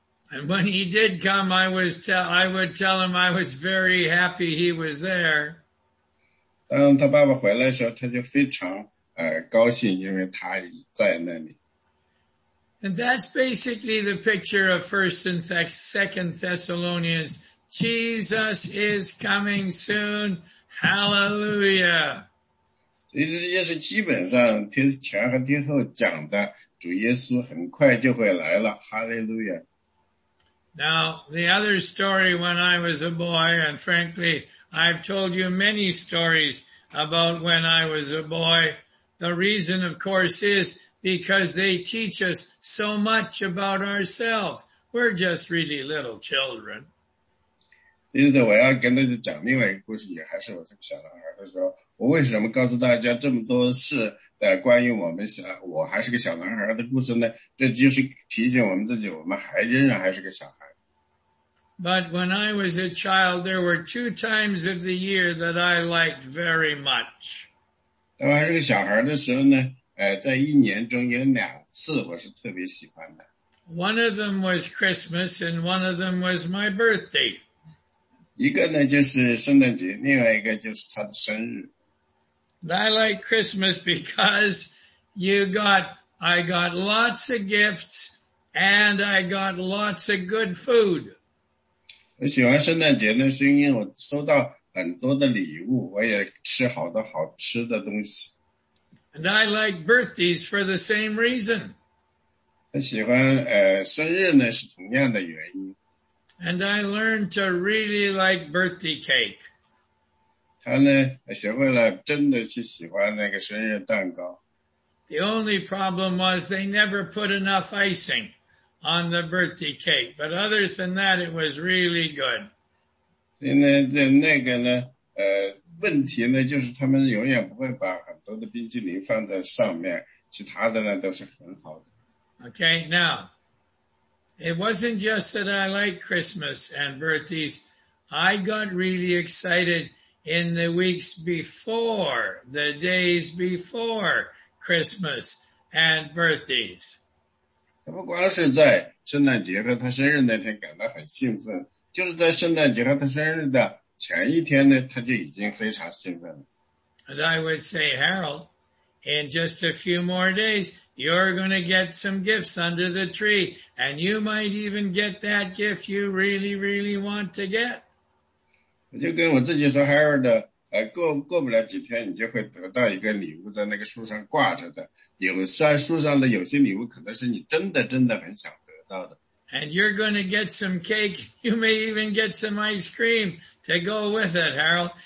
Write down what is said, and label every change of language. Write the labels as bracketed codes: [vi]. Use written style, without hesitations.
[en] And when he did come, I would tell him I was very happy he was there. [zh] 当他爸爸回来的时候，他就非常高兴，因为他在那里。 [en] And that's basically the picture of First and Second Thessalonians. Jesus is coming soon. Hallelujah. [zh] 所以这就是基本上帖前和帖后讲的，主耶稣很快就会来了，哈利路亚。 [en] Now the other story when I was a boy, and frankly, I've told you many stories about when I was a boy. The reason, of course, is because they teach us so much about ourselves. We're just really little children. [zh] 因此我要跟大家讲另外一个故事，也还是我是小男孩的时候。我为什么告诉大家这么多事的关于我们小，我还是个小男孩的故事呢？这就是提醒我们自己，我们还仍然还是个小孩。 [en] But when I was a child, there were two times of the year that I liked very much. [zh] 当我还是个小孩的时候呢，在一年中有两次我是特别喜欢的。 [en] One of them was Christmas, and one of them was my birthday. [zh] 一个呢就是圣诞节，另外一个就是他的生日。 [en] I like Christmas because I got lots of gifts and I got lots of good food. [zh] 我喜欢圣诞节呢，是因为我收到很多的礼物，我也吃好多好吃的东西。 [en] And I like birthdays for the same reason. [zh] 我喜欢生日呢，是同样的原因。 [en] And I learned to really like birthday cake. [zh] 他呢，学会了真的去喜欢那个生日蛋糕。 [en] The only problem was they never put enough icing on the birthday cake, but other than that, it was really good. [zh] 那个呢，问题呢，就是他们永远不会把很多的冰淇淋放在上面，其他的呢都是很好的。 [en] Okay, now, it wasn't just that I like Christmas and birthdays, I got really excited. In the weeks before, the days before Christmas and birthdays. [zh] 不光是在圣诞节和他生日那天感到很兴奋，就是在圣诞节和他生日的前一天呢，他就已经非常兴奋了。 [en] And I would say, Harold, in just a few more days, you're going to get some gifts under the tree, and you might even get that gift you really, really want to get. [zh] 我就跟我自己说， Harold， 过不了几天你就会得到一个礼物在那个树上挂着的，有在树上的有些礼物可能是你真的真的很想得到的。 [en] And you're going to get some cake. You may even get some ice cream to go with it, Harold.